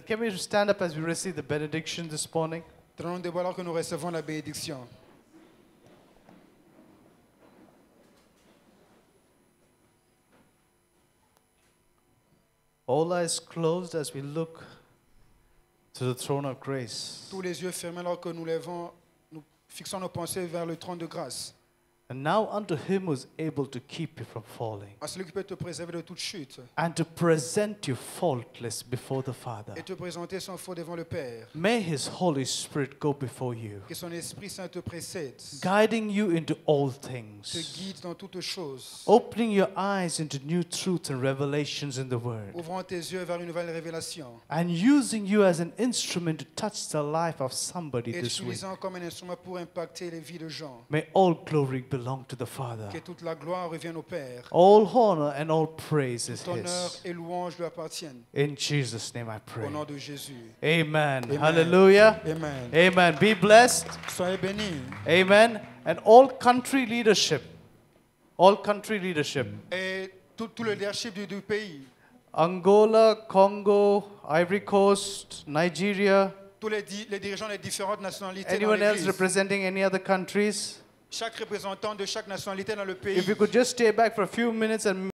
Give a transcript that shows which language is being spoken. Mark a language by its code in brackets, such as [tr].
[en] Can we stand up as we receive the benediction this morning? [fr] Tenons-nous alors que nous recevons la bénédiction. [en] All eyes closed as we look to the throne of grace. [fr] Tous les yeux fermés alors que nous levons, nous fixons nos pensées vers le trône de grâce. [en] And now unto him who is able to keep you from falling. [fr] À celui qui peut te préserver de toute chute. [en] And to present you faultless before the Father. [fr] Et te présenter sans faute devant le Père. [en] May his Holy Spirit go before you. [fr] Que son Esprit Saint te précède. [en] Guiding you into all things. [fr] Te guide dans toutes choses. [en] Opening your eyes into new truths and revelations in the Word. [fr] Ouvrant tes yeux vers une nouvelle révélation. [en] And using you as an instrument to touch the life of somebody [fr] et [en] this week. [fr] Utilisant comme un instrument pour impacter les vies de gens. [en] May all glory belong to the Father. [fr] Que toute la gloire revienne au Père. [en] All honor and all praise is his. [fr] Et louange lui appartiennent. [en] In Jesus' name I pray. [fr] Au nom de Jésus. [en] Amen. Amen. Hallelujah. Amen. Amen. Be blessed. [fr] Soyez bénis. [en] Amen. And all country leadership. All country leadership. [fr] Et tout le leadership du pays. [en] Angola, Congo, Ivory Coast, Nigeria. [fr] Tous les dirigeants des différentes nationalités. [en] Anyone else representing any other countries? [fr] Chaque représentant de chaque nationalité dans le pays. [en] If you could just stay back for a few minutes and